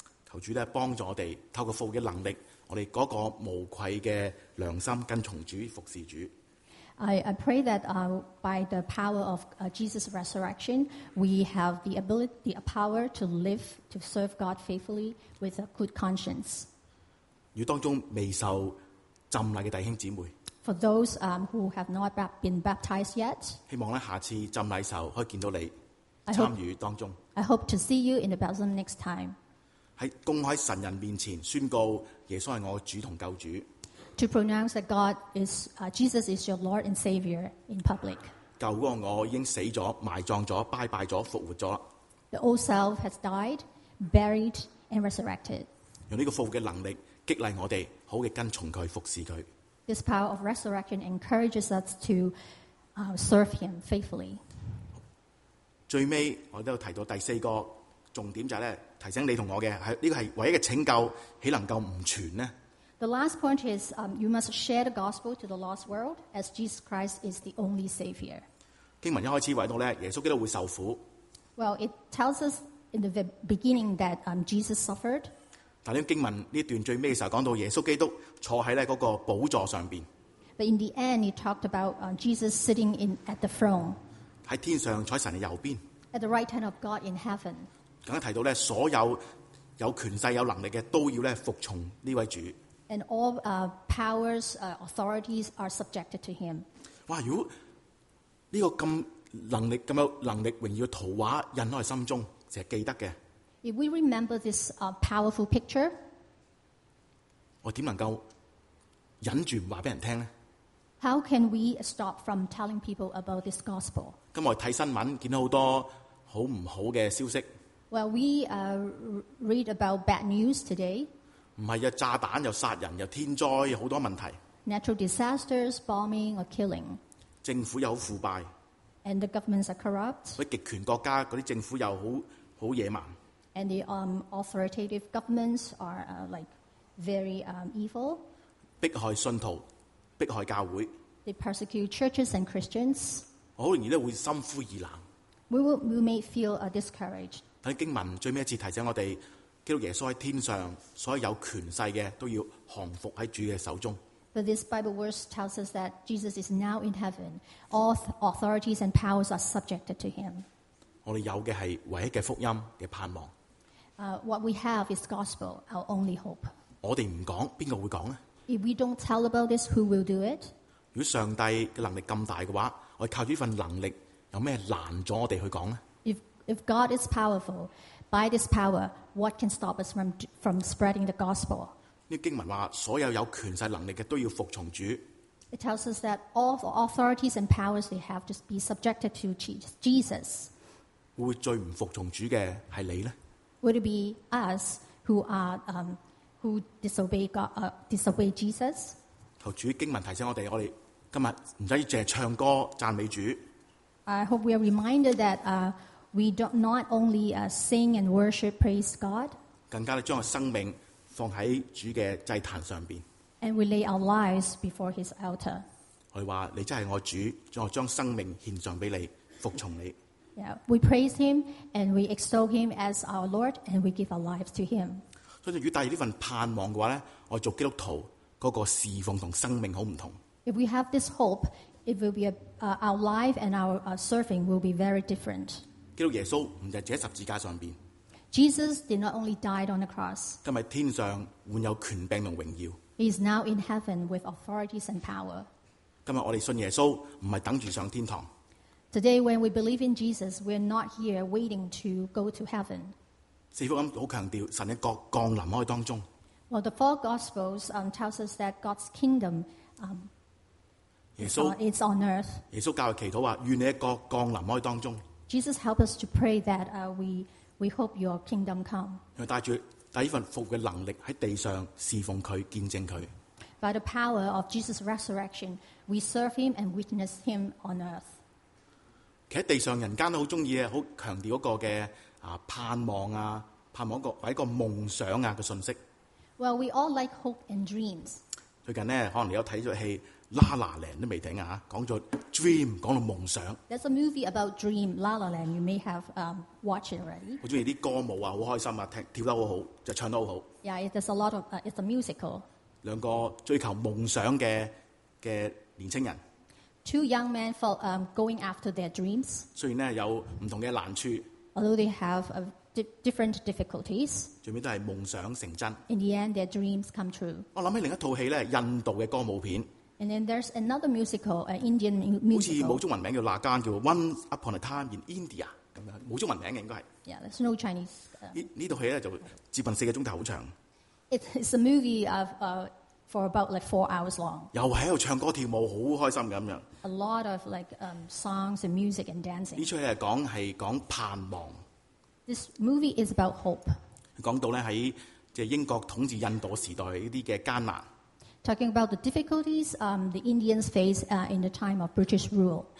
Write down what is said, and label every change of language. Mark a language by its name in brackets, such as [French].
[Chinese] 求主咧帮助我哋透过复活嘅能力，我哋嗰个无愧嘅良心跟从主服侍主。 [English] I pray that by the power of Jesus' resurrection, we have the ability, the power to live, to serve God faithfully with a good conscience. [Chinese] 与当中未受浸礼的弟兄姊妹 [English] ，For those who have not been baptized yet, [Chinese] 希望咧下次浸礼时候可以见到你参与当中。 [English] I hope to see you in the baptism next time. [Chinese] 喺公开神人面前宣告耶稣系我主同救主。 [English] To pronounce that God is Jesus is your Lord and Savior in public. [Chinese] 旧的我已经死了，埋葬了，拜拜了，复活了。 [English] The old self has died, buried, and resurrected. [Chinese] 用这个复活的能力激励我们，好地跟从祂，服侍祂。 [English] This power of resurrection encourages us to serve Him faithfully. [Chinese] 最后，我都提到第四个重点就是提醒你和我的，这个是唯一的拯救，岂能够不存呢？ [English] The last point is you must share the gospel to the lost world as Jesus Christ is the only Savior. [Chinese] 经文一开始话到咧，耶稣基督会受苦。 [English] Well, it tells us in the beginning that Jesus suffered. [Chinese] 但系经文呢段最尾嘅时候讲到耶稣基督坐喺咧嗰个宝座上边。 [English] But in the end, it talked about Jesus sitting at the throne. [Chinese] 喺天上坐喺神嘅右边。 [English] At the right hand of God in heaven. [Chinese] 更加提到咧，所有有权势、有能力嘅都要咧服从呢位主。 [English] And all powers, authorities are subjected to him. 哇！ [Chinese] 如果呢个咁能力、咁有能力、荣耀嘅图画印喺心中，成日记得嘅。 [English] If we remember this powerful picture, [Chinese] 我怎能够忍住不告诉别人听呢？ [English] How can we stop from telling people about this gospel? [Chinese] 今天我看新闻，看到很多很不好的消息。 [English] Well, we read about bad news today. [Chinese] 不是炸弹又杀人又天灾有很多问题。 [English] Natural disasters, bombing or killing. [Chinese] 政府又很腐败。 [English] And the governments are corrupt. [Chinese] 极权国家那些政府又很野蛮。 [English] And the authoritative governments are very evil. [Chinese] 迫害信徒。迫害教会 [English] They persecute churches and Christians. [Chinese] 我很容易会心灰意冷 [English] We may feel discouraged. [Chinese] 但经文最后一次提醒我们基督耶稣在天上所有权势的都要降服在主的手中 [English] But this Bible verse tells us that Jesus is now in heaven. All authorities and powers are subjected to him. [Chinese] 我们有的是唯一的福音的盼望 [English] What we have is gospel, our only hope. [Chinese] 我们不讲谁会讲呢 [English] If we don't tell about this, who will do it? [Chinese] 如果上帝的能力这么大的话，我们靠着这份能力，有什么拦阻我们去讲呢？ [English] If God is powerful, by this power, what can stop us from spreading the gospel? [Chinese] 这个经文说，所有有权势能力的都要服从主。 [English] It tells us that all the authorities and powers they have to be subjected to Jesus. [Chinese] 会不会最不服从主的是你呢？ [English] Would it be us who are... Who disobey God? Disobey Jesus? [Chinese] 求主经文提醒我们今天不只是唱歌赞美主。 [English] I hope we are reminded that we do not only sing and worship, praise God. [Chinese] 更加将生命放在主的祭坛上边。 [English] And we lay our lives before His altar. [Chinese] 我们说你真是我主，我将生命献上给你，服从你。 [English] Yeah, we praise Him and we extol Him as our Lord and we give our lives to Him. [Chinese] 所以如果带着这份盼望的话我做基督徒那个侍奉和生命很不同 [English] If we have this hope it will be our life and our serving will be very different [Chinese] 基督耶稣不只是在十字架上面 [English] Jesus did not only died on the cross [Chinese] 今天天上换有权柄和荣耀 [English] He is now in heaven with authorities and power [Chinese] 今天我们信耶稣不是等着上天堂 [English] Today when we believe in Jesus we are not here waiting to go to heaven [Chinese] 四福音很强调神的国降临在当中。 [English] Well, the four gospels tells us that God's kingdom is on earth. [Chinese] 耶稣教会祈祷说愿你的国降临在当中。 [English] Jesus helped us to pray that we hope your kingdom come. [Chinese] 要带着这份复活的能力在地上侍奉祂见证祂。 [English] By the power of Jesus' resurrection, we serve him and witness him on earth. [Chinese] 其实地上人间都很喜欢很强调那个的盼望或者一个梦想的信息。 [English] Well, we all like hope and dreams. [Chinese] 最近呢，可能你有看这部戏《La La Land》都未停啊，讲到 dream， 讲到梦想。 [English] There's a movie about dream, La La Land. You may have watched it already. [Chinese] 我中意啲歌舞啊，好开心啊，跳得好好，就唱得好好。 [English] Yeah, there's a lot of it's a musical. [Chinese] 两个追求梦想的年轻人。 [English] Two young men for going after their dreams. [Chinese] 虽然呢有唔同嘅难处。 [English] Although they have different difficulties, [Chinese] 最尾都系梦想成真。 [English] In the end, their dreams come true. [Chinese] 我谂起另一套戏咧，印度嘅歌舞片。 [English] And then there's another musical, an Indian musical. [Chinese] 好似冇中文名叫《辣姜》，叫《One Upon a Time in India》咁样，冇中文名嘅应该系。 [English] Yeah, there's no Chinese. [Chinese] 呢套戏咧就接近四个钟头，好长。 [English] It's a movie of for about four hours long. [Chinese] 又喺度唱歌跳舞，好开心咁样。 [English] A lot of songs and music and dancing. [Chinese] 呢出戏系讲盼望。 [English] This movie is about hope. [Chinese] 讲到咧喺即系英国统治印度时代呢啲嘅艰难。 [English] Talking about the difficulties the Indians face in the time of British rule.